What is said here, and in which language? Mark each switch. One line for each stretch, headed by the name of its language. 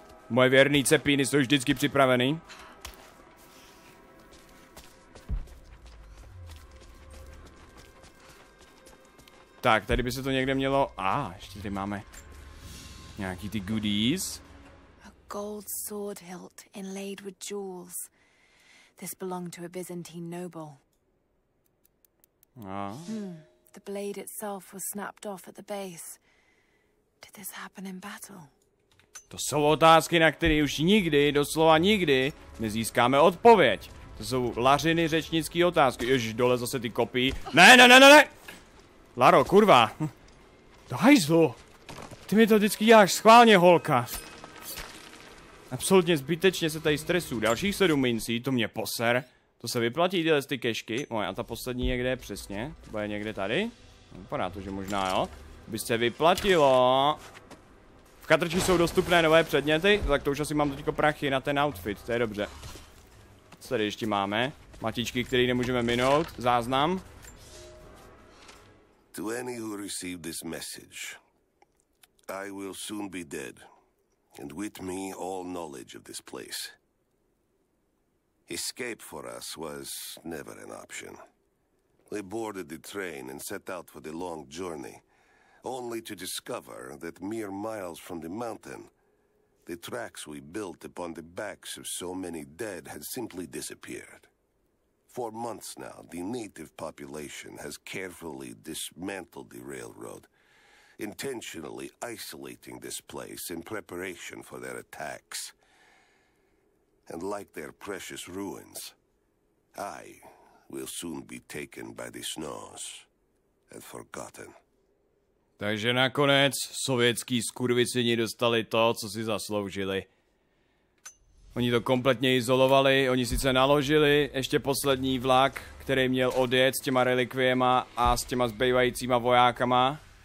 Czech: Moje věrný cepíny jsou vždycky připravený. Tak, tady by se to někde mělo... ještě tady máme nějaký ty goodies.
English: A gold sword hilt inlaid with jewels. This belonged to a Byzantine noble. The blade itself was snapped off at the base. Did this happen in battle?
Czech: To jsou otázky, na které už nikdy, doslova nikdy, nezískáme odpověď. To jsou lařiny řečnický otázky. Ježiš, dole zase ty kopí. Ne! Laro, kurva. Do hajzlu. Ty mi to vždycky děláš schválně, holka. Absolutně zbytečně se tady stresu. Dalších 7 mincí, to mě poser. To se vyplatí tyhle ty kešky. Moje, a ta poslední někde přesně. To je někde tady. Vypadá to, že možná jo. By se vyplatilo. V katrči jsou dostupné nové předměty. Tak to už asi mám teďko prachy na ten outfit. To je dobře. Co tady ještě máme? Matičky, které nemůžeme minout. Záznam.
English: To any who received this message, I will soon be dead, and with me all knowledge of this place. Escape for us was never an option. We boarded the train and set out for the long journey, only to discover that mere miles from the mountain, the tracks we built upon the backs of so many dead had simply disappeared. For months now, the native population has carefully dismantled the railroad, intentionally isolating this place in preparation for their attacks. And like their precious ruins, I will soon be taken by the snows and forgotten.
Czech: Takže nakonec sovětský skurvicini dostali to, co si zasloužili. Oni to kompletně izolovali, oni sice naložili ještě poslední vlak, který měl odjet s těma relikviema a s těma zbývajícíma vojákama.